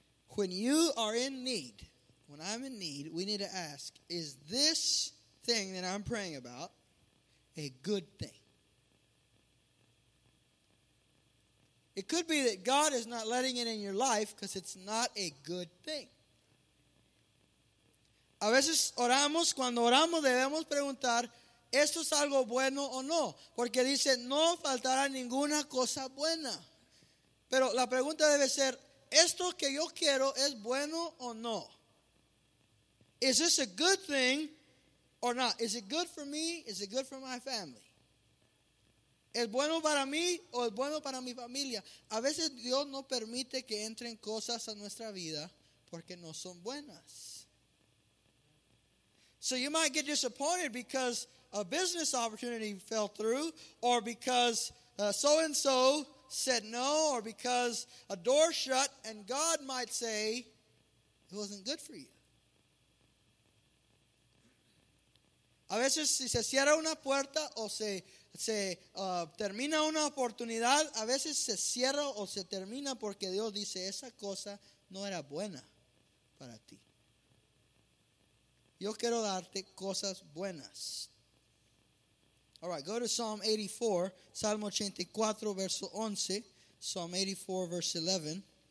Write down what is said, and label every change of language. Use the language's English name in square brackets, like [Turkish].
[English] When you are in need, when I'm in need, we need to ask, is this thing that I'm praying about a good thing? It could be that God is not letting it in your life because it's not a good thing. [Spanish] A veces oramos, cuando oramos debemos preguntar, ¿esto es algo bueno o no? Porque dice, no faltará ninguna cosa buena. Pero la pregunta debe ser, ¿esto que yo quiero es bueno o no? [English] Is this a good thing or not? Is it good for me? Is it good for my family? [Spanish] ¿Es bueno para mí o es bueno para mi familia? A veces Dios no permite que entren cosas a nuestra vida porque no son buenas. [English] So you might get disappointed because a business opportunity fell through or because so-and-so said no or because a door shut and God might say it wasn't good for you. [Spanish] A veces si se cierra una puerta o se termina una oportunidad, a veces se cierra o se termina porque Dios dice, esa cosa no era buena para ti. Yo quiero darte cosas buenas. [English] All right, go to Psalm 84, [Spanish] Salmo 84, verso 11, [English] Psalm 84, verse 11.